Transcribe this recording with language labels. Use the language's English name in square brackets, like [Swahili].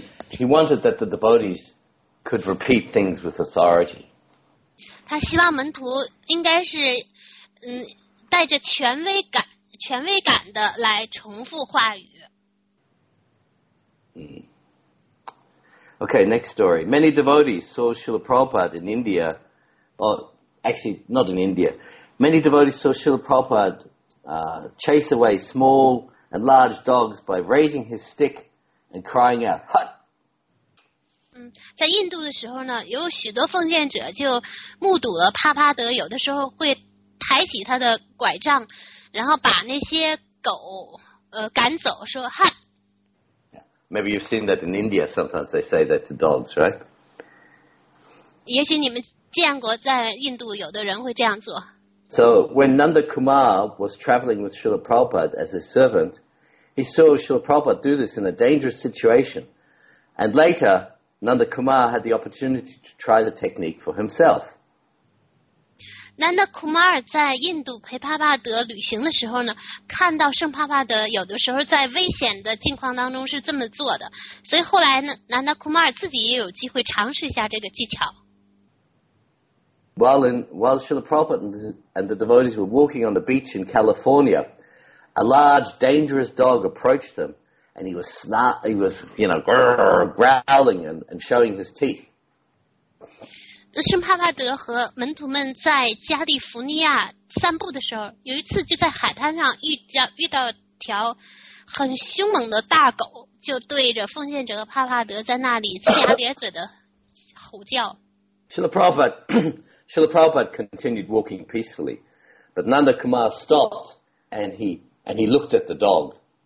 [English] He wanted that the devotees could repeat things with authority. [Chinese] 他希望门徒应该是带着权威感的来重复话语。 [English] Okay, next story. Many devotees saw Srila Prabhupada in India, or actually not in India. Many devotees saw Srila Prabhupada chase away small and large dogs by raising his stick and crying out, "Hut!" [Chinese] 在印度的时候呢，有许多奉献者就目睹了帕帕德有的时候会抬起他的拐杖，然后把那些狗赶走，说 "Hut!" [English] Maybe you've seen that in India. Sometimes they say that to dogs, right? [Chinese] 也许你们见过，在印度有的人会这样做。 [English] So when Nanda Kumar was traveling with Srila Prabhupada as his servant, he saw Srila Prabhupada do this in a dangerous situation. And later, Nanda Kumar had the opportunity to try the technique for himself. [Chinese] Nanda Kumar 在印度陪帕帕德旅行的时候呢，看到圣帕帕德有的时候在危险的境况当中是这么做的，所以后来呢，Nanda Kumar 自己也有机会尝试一下这个技巧。 [English] While Srila Prabhupada and the devotees were walking on the beach in California, a large, dangerous dog approached them, and he was growling and showing his teeth. [Chinese] 圣帕帕德和门徒们在加利福尼亚散步的时候, 有一次就在海滩上遇到条很凶猛的大狗, 就对着奉献者帕帕德在那里呲牙咧嘴的吼叫。 [English] Srila Prabhupada continued walking peacefully, but Nanda Kumar stopped and he looked at the dog.